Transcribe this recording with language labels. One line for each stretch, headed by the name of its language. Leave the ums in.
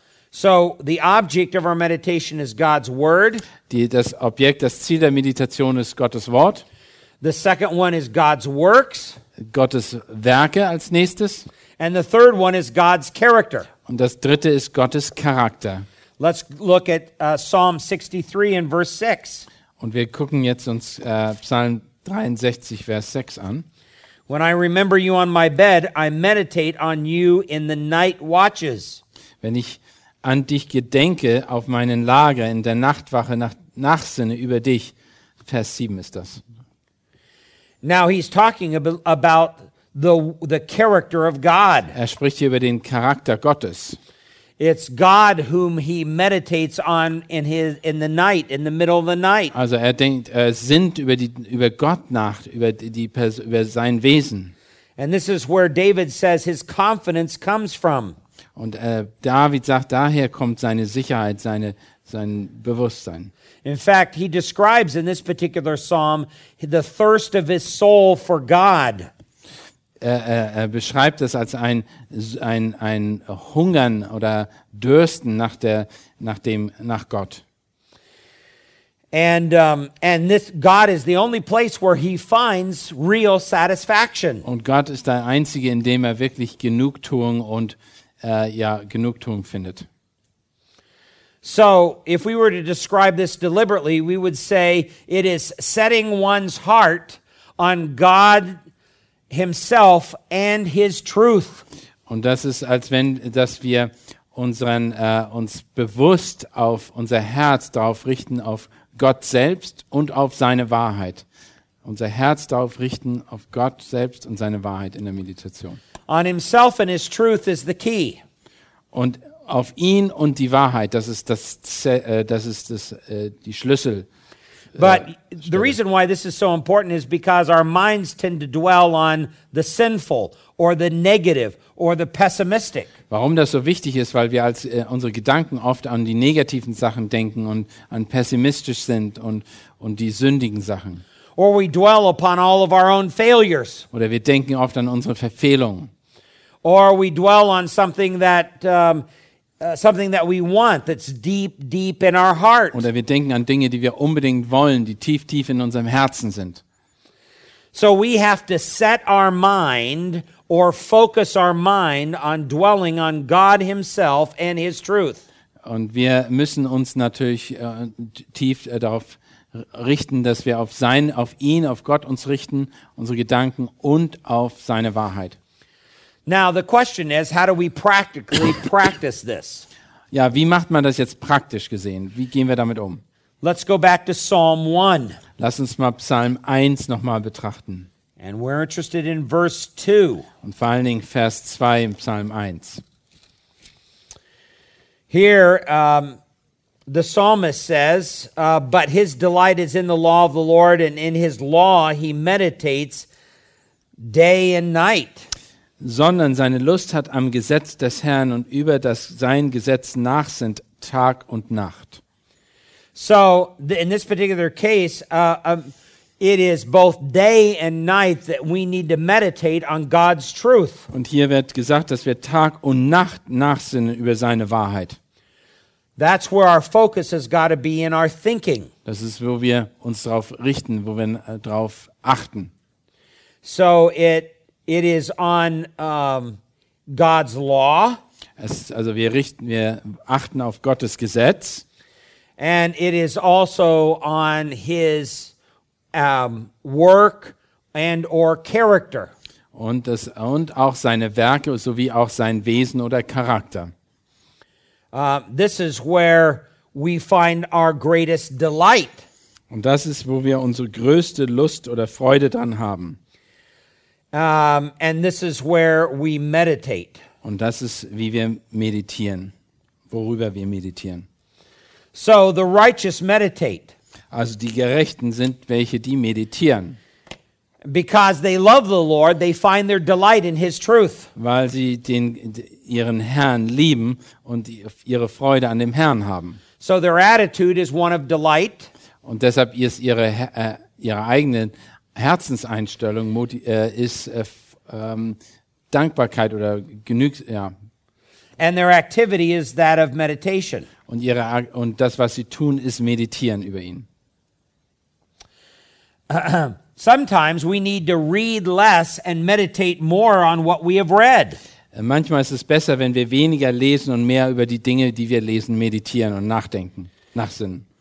English: So the object of our meditation is God's word.
German: Die, das Objekt, das Ziel der Meditation ist Gottes Wort.
English: The second one is God's works.
German: Gottes Werke als nächstes.
English: And the third one is God's character.
German: Und das dritte ist Gottes Charakter.
English: Let's look at uh, Psalm 63 and verse 6.
German: Und wir gucken jetzt uns äh, uh, Psalm Vers 6 an.
English: When I remember you on my bed, I meditate on you in the night watches.
German: Wenn ich an dich gedenke auf meinen Lager in der Nachtwache nach Nachsinne über dich. Vers 7 ist das.
English: Now he's talking about the, the character of God.
German: Er spricht über den Charakter Gottes.
English: It's God whom he meditates on in his in the night in the middle of the night.
German: Also er denkt er uh, über die über Gott nach über die Pers über sein Wesen.
English: And this is where David says his confidence comes from.
German: Und uh, David sagt daher kommt seine Sicherheit seine sein Bewusstsein.
English: In fact, he describes in this particular psalm the thirst of his soul for God.
German: äh, beschreibt es als ein, ein, ein Hungern oder Dürsten nach, der, nach, dem, nach Gott. And, um, and Und Gott ist der einzige, in dem er wirklich Genugtuung und uh, ja Genugtuung findet.
English: So, if we were to describe this deliberately, we would say it is setting one's heart on God's Himself and his truth.
German: Und das ist, als wenn, dass wir unseren, äh, uns bewusst auf unser Herz darauf richten, auf Gott selbst und auf seine Wahrheit. Unser Herz darauf richten, auf Gott selbst und seine Wahrheit in der Meditation.
English: On himself and his truth is the key.
German: Und auf ihn und die Wahrheit, das ist das, äh, das ist das, äh, die Schlüssel.
English: But the reason why this is so important is because our minds tend to dwell on the sinful or the negative or the pessimistic.
German: Warum das so wichtig ist, weil wir als äh, unsere Gedanken oft an die negativen Sachen denken und an pessimistisch sind und und die sündigen Sachen.
English: Or we dwell upon all of our own failures.
German: Oder wir denken oft an unsere Verfehlungen.
English: Or we dwell on something that um, something that we want that's deep deep in our heart
German: oder wir denken an Dinge die wir unbedingt wollen die tief tief in unserem Herzen sind
English: so we have to set our mind or focus our mind on dwelling on God himself and his truth
German: und wir müssen uns natürlich äh, tief äh, darauf richten dass wir auf sein auf ihn auf Gott uns richten unsere Gedanken und auf seine Wahrheit
English: Now the question is, how do we practically practice this?
German: Yeah, ja, wie macht man das jetzt praktisch gesehen? Wie gehen wir damit um?
English: Let's go back to Psalm 1.
German: Lass uns mal Psalm 1 noch
English: And we're interested in verse 2.
German: Und vor allen Dingen Vers 2 im Psalm 1.
English: Here um, the psalmist says, uh, but his delight is in the law of the Lord and in his law he meditates day and night.
German: sondern seine Lust hat am Gesetz des Herrn und über das sein Gesetz nach Tag und Nacht.
English: So in this particular case, uh, um, it is both day and night that we need to meditate on God's truth.
German: Und hier wird gesagt, dass wir Tag und Nacht nachsinnen über seine Wahrheit.
English: That's where our focus has got to be in our thinking.
German: Das ist wo wir uns drauf richten, wo wir drauf achten.
English: So it it is on um, God's law.
German: Es, also wir richten, wir achten auf Gottes Gesetz.
English: And it is also on His um, work and or character.
German: Und das, und auch seine Werke sowie auch sein Wesen oder Charakter.
English: Uh, this is where we find our greatest delight.
German: Und das ist, wo wir unsere größte Lust oder Freude dran haben.
English: Um, and this is where we meditate.
German: Und das ist, wie wir meditieren, worüber wir meditieren.
English: So the righteous meditate.
German: Also die Gerechten sind welche, die meditieren.
English: Because they love the Lord, they find their delight in His truth.
German: Weil sie den ihren Herrn lieben und ihre Freude an dem Herrn haben.
English: So their attitude is one of delight.
German: Und deshalb ist ihre äh, ihre eigene Herzenseinstellung ist ähm, Dankbarkeit oder genügt ja. Und ihre und das was sie tun ist meditieren über ihn.
English: Sometimes we need to read less and meditate more on what we have read.
German: Manchmal ist es besser, wenn wir weniger lesen und mehr über die Dinge, die wir lesen, meditieren und nachdenken, nachsinnen.